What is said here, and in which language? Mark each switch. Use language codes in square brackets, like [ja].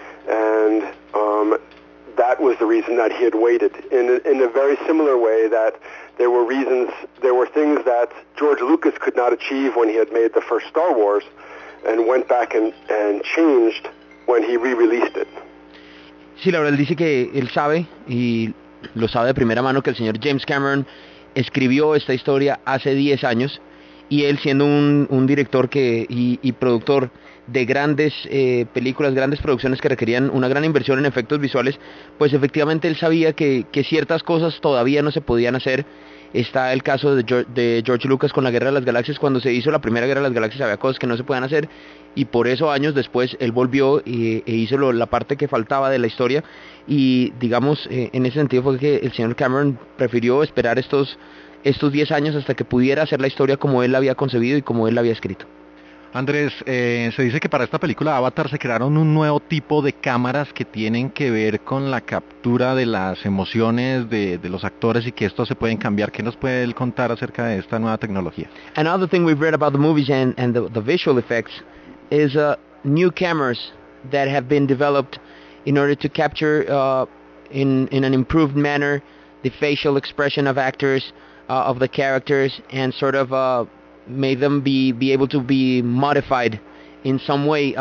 [en] And that was the reason that he had waited. In a very similar way, that there were things that George Lucas could not achieve when he had made the first Star Wars, and went back and changed when he re-released it. [es] Sí, la verdad, él dice que él sabe, y lo sabe de primera mano, que el señor James Cameron escribió esta historia hace 10 años, y él, siendo un director y productor de grandes películas, grandes producciones que requerían una gran inversión en efectos visuales, pues efectivamente él sabía que ciertas cosas todavía no se podían hacer. Está el caso de George Lucas con la Guerra de las Galaxias. Cuando se hizo la primera Guerra de las Galaxias había cosas que no se podían hacer, y por eso años después él volvió e hizo la parte que faltaba de la historia. Y digamos, en ese sentido fue que el señor Cameron prefirió esperar estos 10 años hasta que pudiera hacer la historia como él la había concebido y como él la había escrito. Andrés, se dice que para esta película Avatar se crearon un nuevo tipo de cámaras que tienen que ver con la captura de las emociones de los actores, y que estos se pueden cambiar. ¿Qué nos puede él contar acerca de esta nueva tecnología? [en] Another thing we've read about the movies and the visual effects is new cameras that have been developed in order to capture in an improved manner the facial expression of actors, of the characters, and sort of made them be able to be modified in some way.